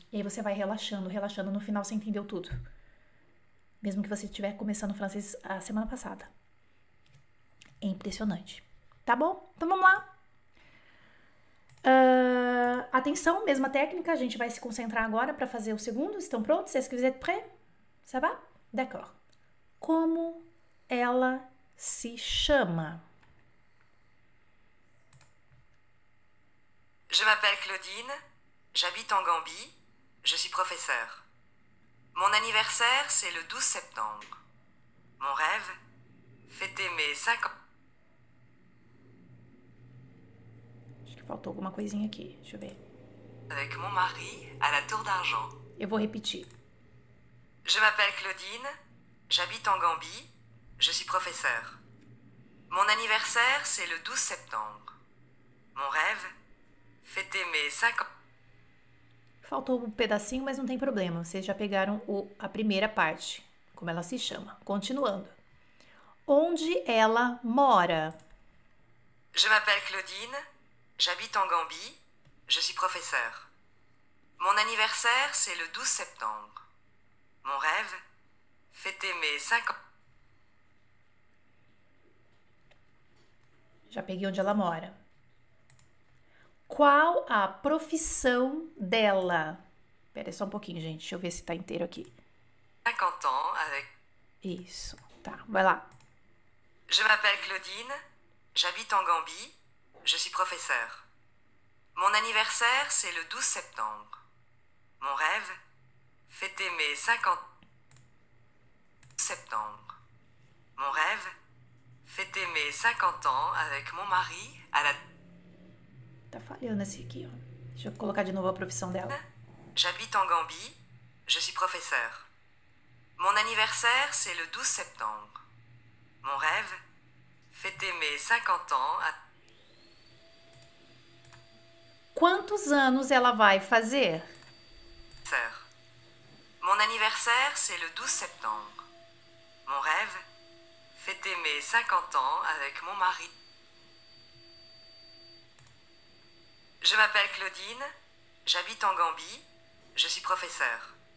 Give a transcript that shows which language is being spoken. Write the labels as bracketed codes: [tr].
[pt] E aí você vai relaxando, relaxando. No final você entendeu tudo. Mesmo que você estiver começando o francês a semana passada. É impressionante. Tá bom? Então vamos lá. Atenção, mesma técnica. A gente vai se concentrar agora para fazer o segundo. Estão prontos? [fr] Est-ce que vous êtes prêts? Ça va? D'accord. [pt] Como ela se chama? [fr] Je m'appelle Claudine, j'habite en Gambie, je suis professeur. Mon anniversaire, c'est le 12 septembre. Mon rêve, fêter mes 5 ans. [pt] Faltou alguma coisinha aqui, deixa eu ver. [fr] Avec mon mari à la Tour d'Argent. [pt] Eu vou repetir. [fr] Je m'appelle Claudine, j'habite en Gambie, je suis professeur. Mon anniversaire, c'est le 12 septembre. Mon rêve, fêter mes 5 ans. [pt] Faltou um pedacinho, mas não tem problema. Vocês já pegaram a primeira parte, como ela se chama. Continuando. Onde ela mora? [fr] Je m'appelle Claudine. J'habite en Gambie, je suis professeur. Mon anniversaire, c'est le 12 septembre. Mon rêve, fêter mes 5 ans. [pt] Já peguei onde ela mora. Qual a profissão dela? Pera só um pouquinho, gente. Deixa eu ver se tá inteiro aqui. [fr] 50 ans avec. [pt] Isso, tá. Vai lá. [fr] Je m'appelle Claudine, j'habite en Gambie, je suis professeur. Mon anniversaire, c'est le 12 septembre. Mon rêve, fêter mes 50 ans. Septembre. Mon rêve, fêter mes 50 ans avec mon mari à la. [pt] Tá falhando esse aqui, ó. Deixa eu colocar de novo a profissão dela. [fr] J'habite en Gambie, je suis professeur. Mon anniversaire, c'est le 12 septembre. Mon rêve, fêter mes 50 ans à. [pt] Quantos anos ela vai fazer? [fr] Mon anniversaire, c'est le 12 septembre. Mon rêve, fêter mes 50 ans avec mon mari. Je m'appelle Claudine, j'habite en Gambie, je suis professeur.